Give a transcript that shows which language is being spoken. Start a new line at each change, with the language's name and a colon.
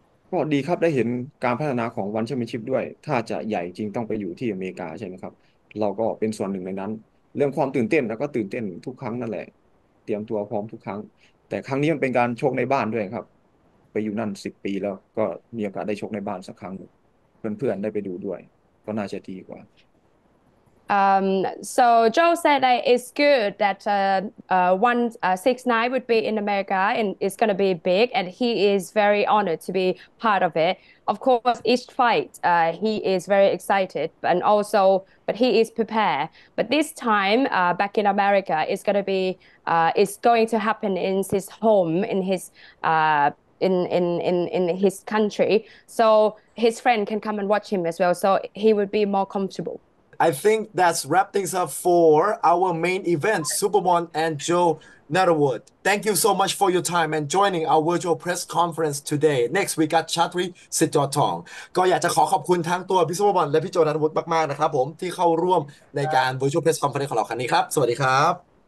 Thai: ก็ดีครับได้เห็นการพัฒนาของวันแชมเปี้ยนชิพด้วยถ้าจะใหญ่จริงต้องไปอยู่ที่อเมริกาใช่ไหมครับเราก็เป็นส่วนหนึ่งในนั้นเรื่องความตื่นเต้นแล้วก็ตื่นเต้นทุกครั้งนั่นแหละเตรียมตัวพร้อมทุกครั้งแต่ครั้งนี้มันเป็นการชกในบ้านด้วยครับไปอยู่นั่น10 ปีแล้วก็มีโอกาสได้ชกในบ้านสักครั้งเพื่อนๆได้ไปดูด้วยก็น่าจะดีกว่า
English: So Joe said that it's good that 169 would be in America and it's going to be big, and he is very honored to be part of it. Of course, each fight he is very excited, and also but he is prepared. But this time back in America, it's going to happen in his home, in his in his country, so his friend can come and watch him as well, so he would be more comfortable. I think that's wrap things up for our main event, Superbon and Joe Nutterwood. Thank you so much for your time and joining our virtual press conference today. Next, we got Chatri Sitjotong.
Thai: ก็อยากจะขอขอบคุณทั้งตัวพี่ Superbon และพี่โจนัทวุฒิมากๆนะครับผมที่เข้าร่วมในการ
English: virtual press conference
Thai: ของเราครั้งนี้ครับสวัสดีครับ